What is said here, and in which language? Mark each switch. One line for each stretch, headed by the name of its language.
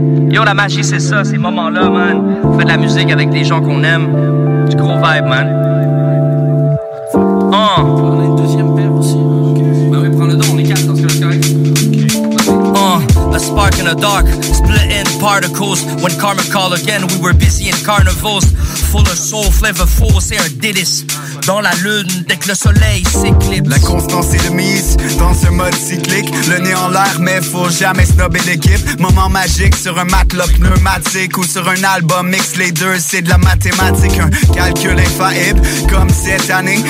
French: Yo, la magie, c'est ça, ces moments-là, man. On fait de la musique avec des gens qu'on aime. Du gros vibe, man. On a une deuxième paire aussi. Bah oui, prends le don, on est quatre dans ce cas-là, correct.
English: A spark in the dark, split in particles. When karma call again, we were busy in carnivals. Full of soul, flavorful, serendipitous.
French: Dans la lune, dès que le soleil s'éclipse. La constance est de mise dans ce mode cyclique. Le nez en l'air, mais faut jamais snobber l'équipe. Moment magique sur un matelas pneumatique ou sur un album mix. Les deux, c'est de la mathématique. Un calcul infaillible, comme cette année.